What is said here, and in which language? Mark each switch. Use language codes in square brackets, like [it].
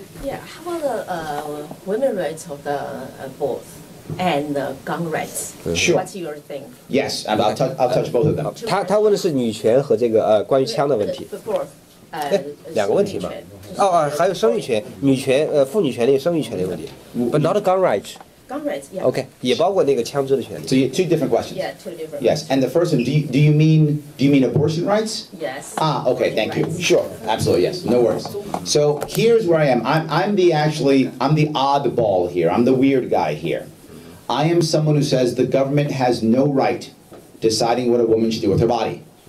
[en] Yeah, how about the women rights of the boards and the gun rights? Sure. What's your thing? Yes, I'll touch both of them. [zh] 他问的是女权和这个关于枪的问题。两个问题嘛。还有生育权，女权妇女权利生育权利问题。 [en] But not gun rights. Gun rights, yeah. [zh] OK, 也包括那个枪支的权利。 [en] So, two different questions. Yeah, two different questions. Yes, and the first one, do you mean abortion rights? Yes. Ah, OK, thank rights. You. Sure, absolutely, yes, no worries. So, here's where I am. I'm the oddball here. I'm the weird guy here. I am someone who says the government has no right deciding what a woman should do with her body.